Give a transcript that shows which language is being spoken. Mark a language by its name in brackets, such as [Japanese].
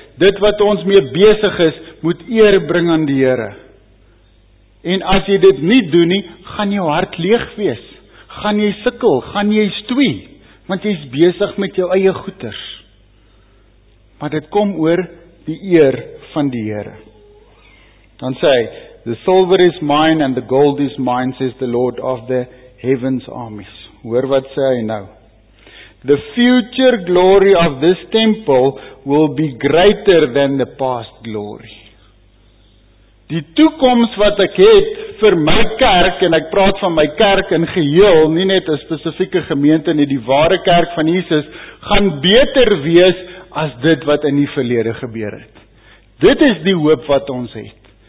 [Afrikaans] Dit wat ons mee besig is, moet eer bring aan die Here. En as jy dit nie doen nie, gaan jou hart leeg wees. Gaan jy sukkel, gaan jy stoei. Want jy is besig met jou eie goeders. Maar dit kom oor die eer van die Here. Dan sê hy, [English] the silver is mine and the gold is mine, says the Lord of the heaven's armies. [Afrikaans] Hoor wat sê hy nou? [English] The future glory of this temple will be greater than the past glory. [Afrikaans] Die toekoms wat ek het vir my kerk, en ek praat van my kerk in geheel, nie net 'n spesifieke gemeente nie, die ware kerk van Jesus, gaan beter wees as dit wat in die verlede gebeur het. Dit is die hoop wat ons het.